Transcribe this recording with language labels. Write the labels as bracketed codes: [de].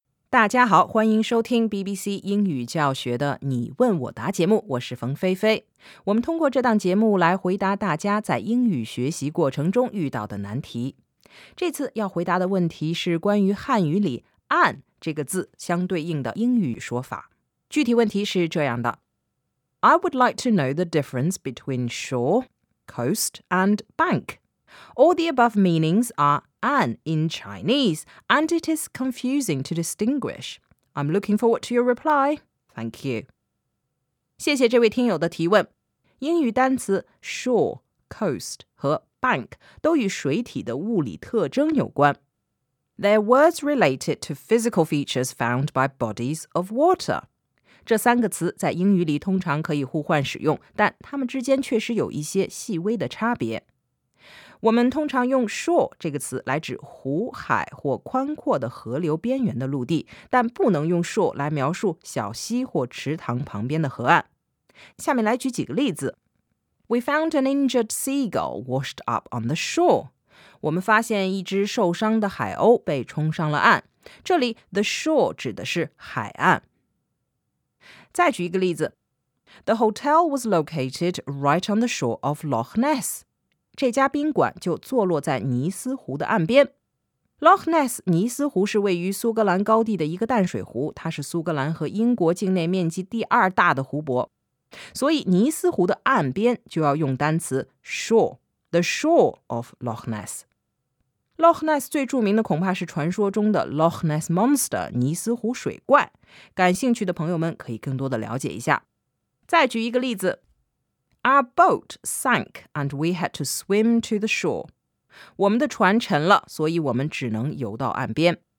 [zh] 大家好，欢迎收听 BBC 英语教学的你问我答节目，我是冯菲菲。我们通过这档节目来回答大家在英语学习过程中遇到的难题。这次要回答的问题是关于汉语里按这个字相对应的英语说法。具体问题是这样的 [en] I would like to know the difference between shore, coast and bank. All the above meanings are an in Chinese and it is confusing to distinguish. I'm looking forward to your reply. Thank you. [zh] 谢谢这位听友的提问。英语单词 shore, coast 和 bank 都与水体的物理特征有关。 [en] They're words related to physical features found by bodies of water. [zh] 这三个词在英语里通常可以互换使用，但它们之间确实有一些细微的差别。我们通常用 shore 这个词来指湖海或宽阔的河流边缘的陆地，但不能用 shore 来描述小溪或池塘旁边的河岸。下面来举几个例子。 [en] We found an injured seagull washed up on the shore. [zh] 我们发现一只受伤的海鸥被冲上了岸。这里 the shore 指的是海岸。再举一个例子。 [en] The hotel was located right on the shore of Loch Ness. [zh] 这家宾馆就坐落在尼斯湖的岸边。Loch Ness, 尼斯湖是位于苏格兰高地的一个淡水湖。它是苏格兰和英国境内面积第二大的湖泊。所以尼斯湖的岸边就要用单词 shore。 [en] The shore of Loch Ness. [zh] Loch Ness 最著名的恐怕是传说中的 Loch Ness Monster, 尼斯湖水怪。感兴趣的朋友们可以更多的了解一下。再举一个例子。 [en] Our boat sank and we had to swim to the shore. [zh] 我们的船沉了，所以我们只能游到岸边。